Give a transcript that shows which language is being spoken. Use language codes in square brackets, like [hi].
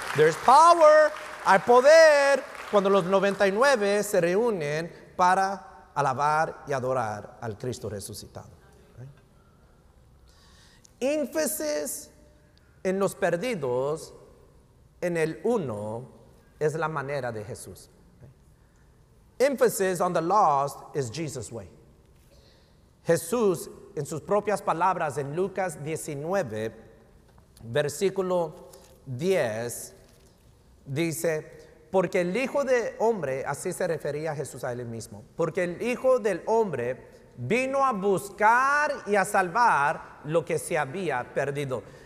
[en] There's power, [es] hay poder cuando los 99 se reúnen para alabar y adorar al Cristo resucitado. ¿Eh? énfasis en los perdidos, en el uno, es la manera de Jesús. [en] Emphasis on the lost is Jesus' way. [es] Jesús, en sus propias palabras, en Lucas 19, versículo 10, dice, porque el Hijo del Hombre, así se refería Jesús a él mismo, porque el Hijo del Hombre vino a buscar y a salvar lo que se había perdido.